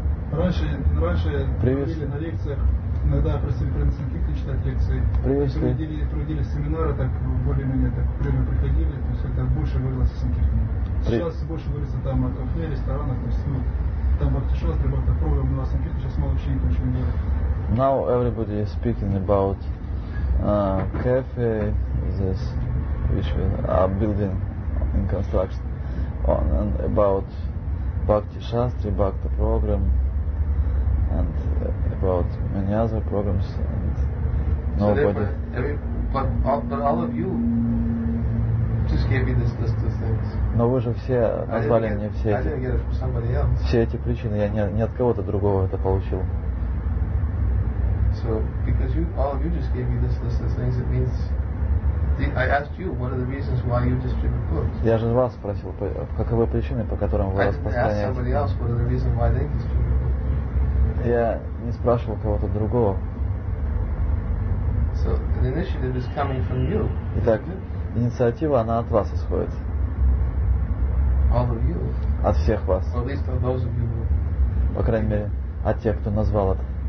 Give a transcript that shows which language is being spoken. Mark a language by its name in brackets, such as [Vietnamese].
[Russian] Раньше говорили на лекциях, иногда просили принципы читать лекции. Привезли. Проводили семинары, так более-менее так время приходили, то есть это больше говорилось о санкирте. Сейчас больше говорится там о кафе, ресторанах, то есть ну, там бхакти-шастры, бхакти-программы на санкирте, сейчас мало учеников очень много. [English] Now everybody is speaking about cafe, this which we are building in construction, on and about Bhakti Shastri, Bhakti program, and about many other programs. And nobody. So but all of you just gave me this list of things. [Russian] Но вы же все назвали мне все эти. Все эти причины я не от кого-то другого это получил. [English] So, because you, all of you just gave me this list of things, it means I asked you, what are the reasons why you distribute books? [Russian] Я же вас спросил, каковы причины, по которым вы распространяете. [English] I asked somebody else, what are the reasons why they distribute books? [Russian] Я не спрашивал кого-то другого. [English] So, the initiative is coming from you. [Russian] Итак, инициатива, она от вас исходит. [English] All of you. [Russian] От всех вас. [English] At least of those of you who... [Russian] По крайней мере, от тех, кто назвал это.